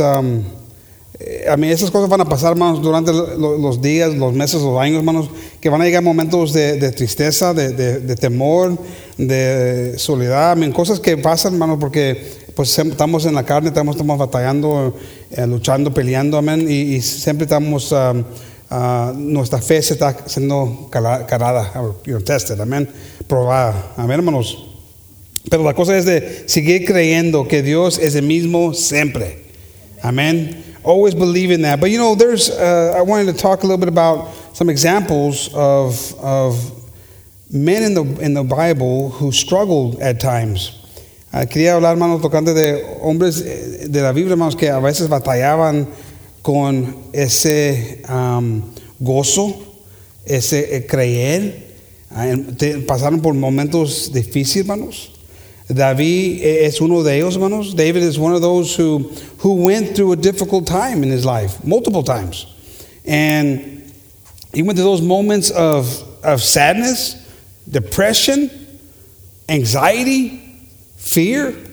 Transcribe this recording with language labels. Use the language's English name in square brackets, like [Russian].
[English] I mean, [Spanish] esas cosas van a pasar, hermanos, durante los días, los meses, los años, hermanos, que van a llegar momentos de tristeza, de temor, de soledad. I mean, cosas que pasan, hermanos, porque pues estamos en la carne, estamos batallando, luchando, peleando, amén, y siempre estamos... nuestra fe se está siendo calada, tested, amén, probada, amén, hermanos. Pero la cosa es de seguir creyendo que Dios es el mismo siempre, amén. [English] Always believe in that. But you know, there's I wanted to talk a little bit about some examples of men in the Bible who struggled at times. [Spanish] Quería hablar, hermanos, tocando de hombres de la Biblia, hermanos, que a veces batallaban con ese gozo, ese creer, pasaron por momentos difíciles, hermanos. David es uno de ellos, hermanos. [English] David is one of those who went through a difficult time in his life, multiple times. And he went through those moments of sadness, depression, anxiety, fear.